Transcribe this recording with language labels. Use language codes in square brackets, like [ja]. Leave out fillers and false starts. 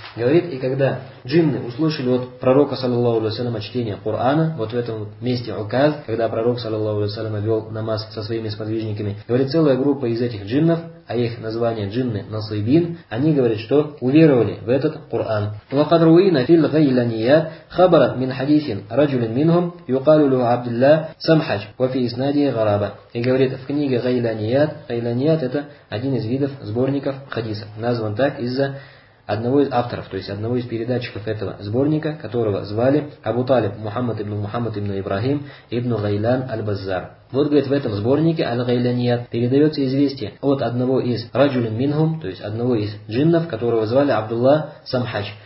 [ru] Говорит, и когда джинны услышали от пророка, саллаллаху алейхи ва саллям, чтение Корана, вот в этом месте Указ, когда пророк, саллаллаху алейхи ва саллям, вел намаз со своими сподвижниками, говорит, целая группа из этих джиннов, а их название джинны насибин, они говорят, что уверовали в этот Коран. [ar] وقد روينا في الغيلانيات خبر من حديث رجل منهم يقال له عبد الله سمحج وفي اسناده غرابه. [ru] И говорит, в книге Гайланият, Гайланият — это один из видов сборников хадисов, назван так из-за одного из авторов, то есть одного из передатчиков этого сборника, которого звали Абу Талиб Мухаммад ибн Ибрахим ибн Гайлан аль-Баззар. Вот, говорит, в этом сборнике «Аль-Гайланият» передается известие от одного из [ar] «Раджулин Минхум», [ru] то есть одного из джиннов, которого звали Абдулла Самхач.